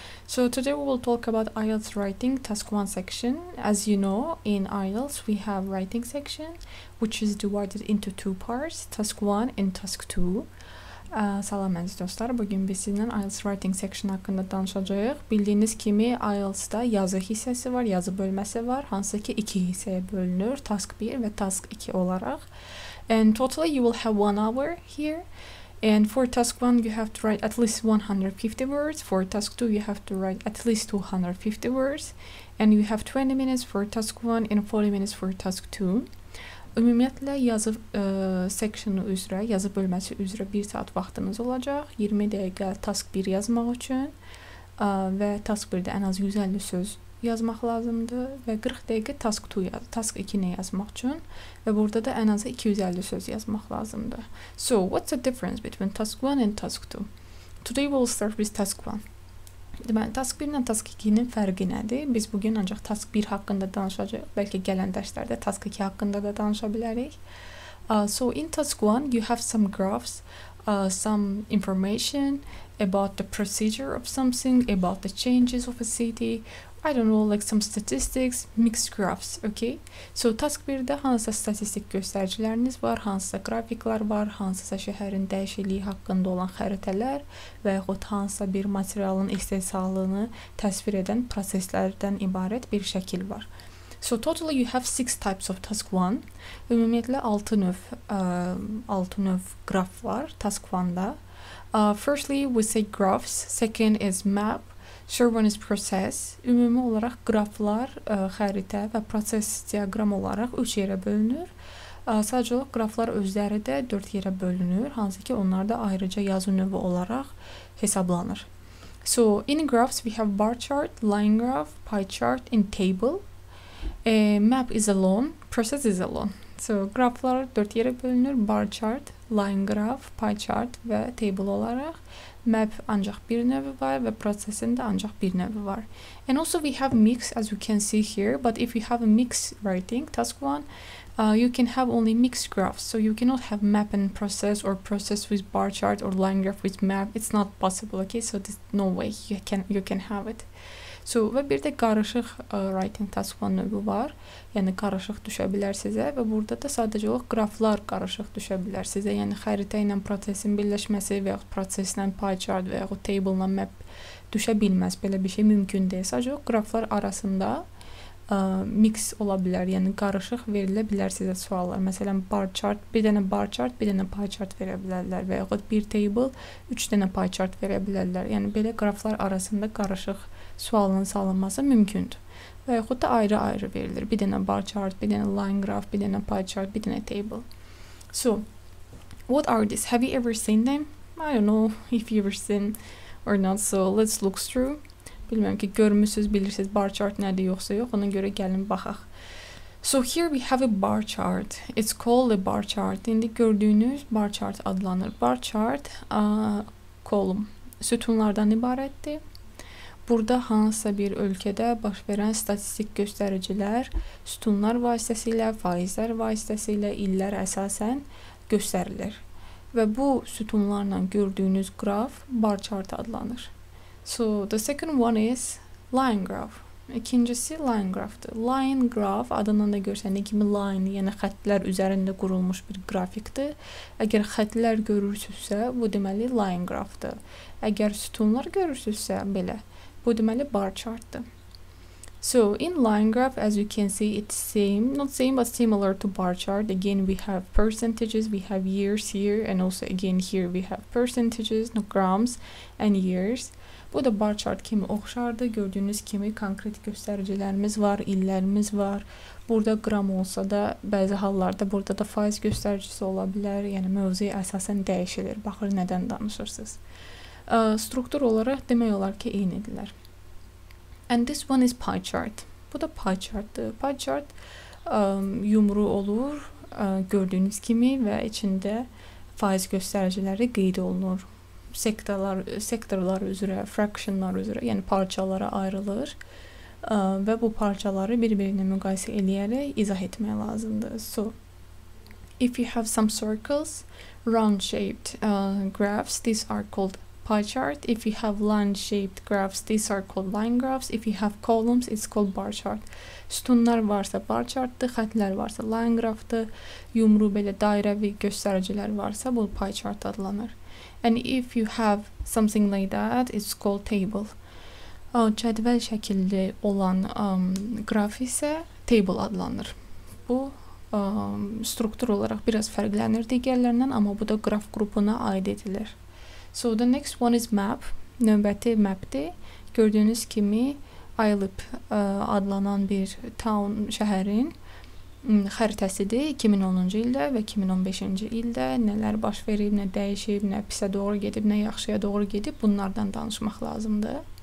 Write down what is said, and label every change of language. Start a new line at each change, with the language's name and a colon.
English: So today we will talk about IELTS writing task 1 section. As you know, in IELTS we have writing section, which is divided into two parts, task 1 and task 2.
Azerbaijani: Salam aziz dostlar, bugün biz sizinle IELTS writing section hakkında danışacağız. Bildiğiniz kimi IELTS'da yazı hissesi var, yazı bölmesi var. Hansı ki iki hisseye bölünür, task 1 ve task 2 olarak.
English: And totally you will have 1 hour here. And for task 1 you have to write at least 150 words. For task 2 you have to write at least 250 words. And you have 20 minutes for task 1 and 40 minutes for task 2.
Azerbaijani: Ümumiyyətlə yazı sectionu üzrə, yazı bölməsi üzrə 1 saat vaxtınız olacaq. 20 dəqiqə task 1 yazmaq üçün. Və task 1-də ən az 150 söz yazmaq lazımdır və 40 dəqiqə task 2 task 2-ni yazmaq üçün və burada da ən azı 250 söz yazmaq lazımdır.
English: So, what's the difference between task 1 and task 2? Today we'll start with task 1.
Azerbaijani: Deməli, task 1 ilə task 2-nin fərqi nədir? Biz bugün ancaq task 1 haqqında danışacağıq, bəlkə gələn dərslərdə task 2 haqqında da danışa bilərik.
English: So, in task 1, you have some graphs, some information about the procedure of something, about the changes of a city, I don't know, like some statistics, mixed graphs, okay?
Azerbaijani: So, task 1-də hansısa statistik göstəriciləriniz var, hansısa qrafiklar var, hansısa şəhərin dəyişikliyi haqqında olan xəritələr və yaxud hansısa bir materialın istehsalını təsvir edən proseslərdən ibarət bir şəkil var.
English: So, totally you have 6 types of task 1.
Azerbaijani: Ümumiyyətlə, 6 növ, 6 növ graf var task 1-də.
English: Firstly, we say graphs. Second is map. Third one is process.
Azerbaijani: Ümumi olaraq qraflar, xəritə və proses diaqram olaraq 3 yerə bölünür. Sadəcə olaraq qraflar özləri də 4 yerə bölünür, hansı ki onlar da ayrıca yazı növü olaraq hesablanır.
English: So, in graphs we have bar chart, line graph, pie chart and table. Map is alone, process is alone.
Azerbaijani: So, qraflar 4 yerə bölünür, bar chart, line graph, pie chart və table olaraq. Map ancaq bir növü var və prosesində ancaq bir növü var.
English: And also we have mix, as you can see here, but if you have a mix writing, task 1, you can have only mixed graphs. So you cannot have map and process or process with bar chart or line graph with map. It's not possible, okay? So there's no way you can have it.
Azerbaijani: So, və bir də qarışıq writing task 1 növü var. Yəni, qarışıq düşə bilər sizə və burada da sadəcə olaraq qraflar qarışıq düşə bilər sizə. Yəni, xəritə ilə prosesin birləşməsi və yaxud proseslə pie chart və yaxud table ilə map düşə bilməz. Belə bir şey mümkün deyil. Sadəcə olaraq qraflar arasında mix ola bilər. Yəni, qarışıq verilə bilər sizə suallar. Məsələn, bar chart, bir dənə bar chart, bir dənə pie chart verə bilərlər və yaxud bir table, 3 dənə pie chart verə bilərlər. Yəni, belə qraflar arasında qarışıq sualının salınması mümkündür. Və yaxud da ayrı-ayrı verilir. Bir dənə bar chart, bir dənə line graph, bir dənə pie chart, bir dənə table.
English: So, what are these? Have you ever seen them? I don't know if you've ever seen or not. So, let's look through.
Azerbaijani: Bilməm ki, görmüşsünüz, bilirsiniz bar chart nədir yoxsa yox. Ona görə gəlin, baxaq.
English: So, here we have a bar chart. It's called a bar chart.
Azerbaijani: İndi gördüyünüz bar chart adlanır. Bar chart, column, sütunlardan ibarətdir. Burada hansısa bir ölkədə baş verən statistik göstəricilər sütunlar vasitəsilə, faizlər vasitəsilə, illər əsasən göstərilir. Və bu sütunlarla gördüyünüz qraf bar chart adlanır.
English: So, the second one is line graph.
Azerbaijani: İkincisi line graphdır. Line graph adından da görsəndiyi kimi line, yəni xəttlər üzərində qurulmuş bir qrafikdir. Əgər xəttlər görürsünüzsə, bu deməli line graphdır. Əgər sütunlar görürsünüzsə, belə. Bu deməli bar chartdır.
English: So, in line graph, as you can see, it's same, not same, but similar to bar chart. Again, we have percentages, we have years here, and also again here we have percentages, no grams, and years.
Azerbaijani: Bu da bar chart kimi oxşardır. Gördüyünüz kimi konkret göstəricilərimiz var, illərimiz var. Burada gram olsa da, bəzi hallarda burada da faiz göstəricisi ola bilər. Yəni, mövzu əsasən dəyişilir. Baxır, nədən danışırsınız. Struktur olaraq demək olar ki, eynidirlər.
English: And this one is pie chart.
Azerbaijani: Bu da pie chartdır. Pie chart yumru olur, gördüyünüz kimi və içində faiz göstəriciləri qeyd olunur. Sektorlar üzrə, fractionlar üzrə, yəni parçalara ayrılır və bu parçaları bir-birinə müqayisə eləyərək izah etmək lazımdır. So,
English: if you have some circles, round-shaped graphs, these are called pie chart. If you have line-shaped graphs, these are called line graphs. If you have columns, it's called bar chart.
Azerbaijani: Sütunlar varsa bar chart'tı, xətlər varsa line graph'tı, yumru belə dairəvi göstəricilər varsa bu pie chart adlanır.
English: And if you have something like that, it's called table.
Azerbaijani: Cədvəl şəkilli olan graf isə table adlanır. Bu struktur olaraq biraz fərqlənir digərlərindən, amma bu da graf qrupuna aid edilir.
English: So the next one is map.
Azerbaijani: Növbəti map-dir. Gördüyünüz kimi Ilip adlanan bir town şəhərin xəritəsidir 2010-cu ildə və 2015-ci ildə nələr baş verib, nə dəyişib, nə pisə doğru gedib, nə yaxşıya doğru gedib, bunlardan danışmaq lazımdır.